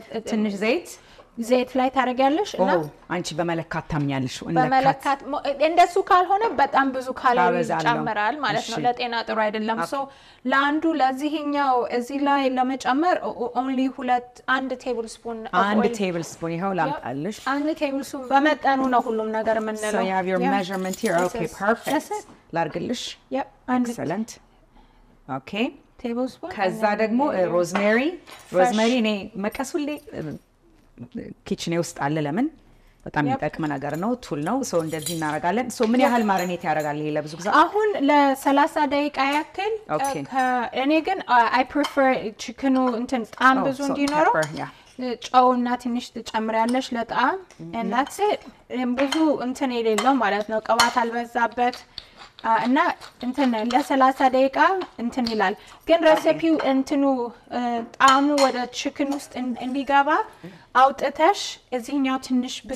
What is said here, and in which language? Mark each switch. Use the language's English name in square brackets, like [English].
[Amharic] ትንሽ ዘይት ዘይት ላይ ታረጋለሽ እና አንቺ በመለካት ታምኛለሽ እና በመለካት እንደሱ ካልሆነ በጣም ብዙ ካሎሪ ጨምራል ማለት ነው ለጤና ጥሩ አይደለም ሶ ላንዱ ለዚህኛው እዚ ላይ ለመጨመር [English] only 1 tablespoon of oil 1 tablespoon [Amharic] ይሄው ላምጣልሽ 1 tablespoon በመጠኑ ነው ሁሉም ነገር ምን ነው [English] So you have your measurement here okay perfect [Amharic] ላርግልሽ [English] yep excellent okay tablespoon [Amharic] ከዛ ደግሞ rosemary rosemary ነው መቀሱልኝ ኪችኔ ውስጥ አለ ለምን በጣም ይጣቀመ ነገር ነው ቱል ነው ሶ እንደዚህ እናረጋለን ሶ ምን ያህል ማሪኔት ያረጋል ይሄ ለብዙ ጊዜ አሁን ለ30 ደቂቃ ያክል ከእኔ ግን አይ ፕሪፈር ቺክኑ እንትን ጣም ብዙ እንዲኖረው ጨው እና ትንሽ ተጨምራለሽ ለጣም [English] and that's it [Amharic] ብዙ እንትን የሌለው ማለት ነው ቀባት አልበዛበት እና እንትን ለ30 ደቂቃ እንትን ይላል ግን ሬሲፒው እንትኑ ጣሙ ወደ ቺክን ውስጥ እንዲገባ አውጥተሽ እዚህኛው ትንሽ